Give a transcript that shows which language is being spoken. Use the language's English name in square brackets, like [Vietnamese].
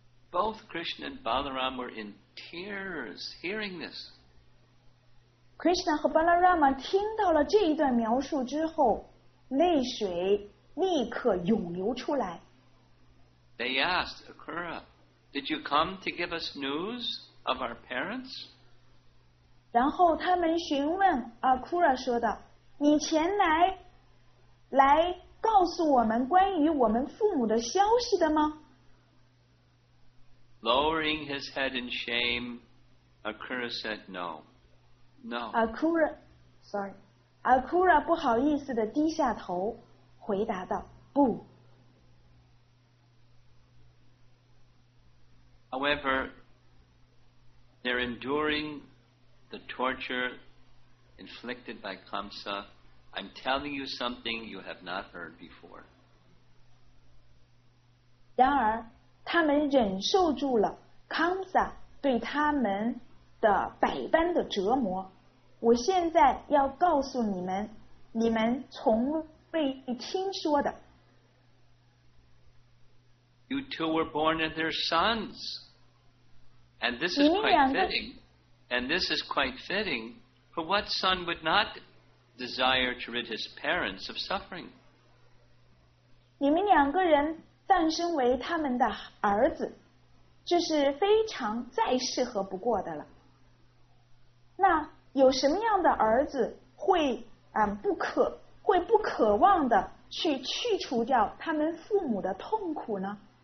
[English] Both Krishna and Balaram were in tears hearing this. [Chinese] Krishna 和 Balarama 听到了这一段描述之后，泪水立刻涌流出来。 [English] They asked Akura, "Did you come to give us news of our parents?" [Chinese] 然后他们询问 Akura 说道，你前来告诉我们关于我们父母的消息的吗？ [English] Lowering his head in shame, Akura said no. No. [Chinese] Akura 不好意思地低下头回答道，不。 [English] However, they're enduring the torture inflicted by Kamsa. I'm telling you something you have not heard before. [Chinese] 然而，他们忍受住了 Kamsa 对他们的百般的折磨。我现在要告诉你们，你们从被你听说的。 [English] You two were born as their sons, and this is quite fitting. And this is quite fitting. For what son would not desire to rid his parents of suffering? [Chinese] 你们两个人诞生为他们的儿子，这是非常再适合不过的了。那有什么样的儿子会不渴望的去去除掉他们父母的痛苦呢？